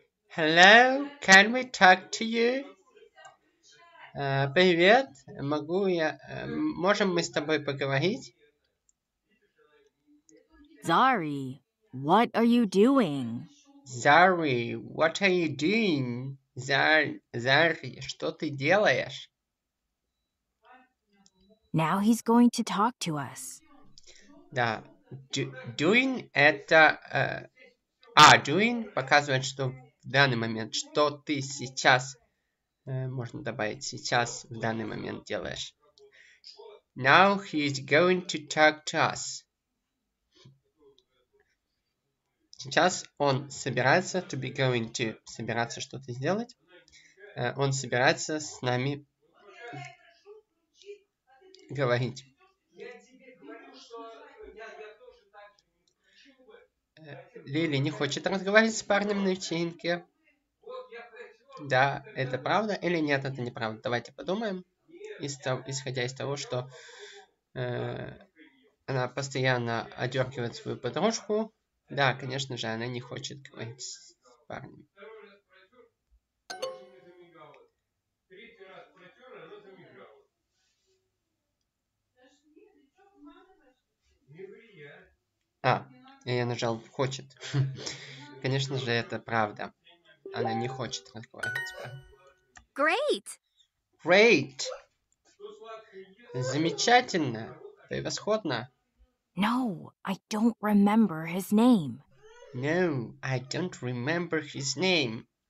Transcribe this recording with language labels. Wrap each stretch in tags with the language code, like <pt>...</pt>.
<en>Hello, can we talk to you?</en> <ru>Привет, могу я... можем мы с тобой поговорить?</ru> <en>Zari, what are you doing? Zari, what are you doing?</en> <ru>Zari, что ты делаешь?</ru> <en>Now he's going to talk to us.</en> <ru>Да. Doing это... doing показывает, что в данный момент, что ты сейчас... можно добавить сейчас, в данный момент делаешь.</ru> <en>Now he's going to talk to us.</en> <ru>Сейчас он собирается,</ru> <en>to be going to,</en> <ru>собираться что-то сделать. Он собирается с нами говорить. Лили не хочет разговаривать с парнем на вечеринке. Да, это правда или нет, это неправда. Давайте подумаем, исходя из того, что она постоянно одергивает свою подружку. Да, конечно же, она не хочет говорить с парнем. А, я нажал «хочет». Конечно же, это правда. Она не хочет разговаривать с парнем.</ru> <en>Great! Great!</en> <ru>Замечательно! Превосходно!</ru> <en>No, I don't remember his name. No, I don't remember his name.</en>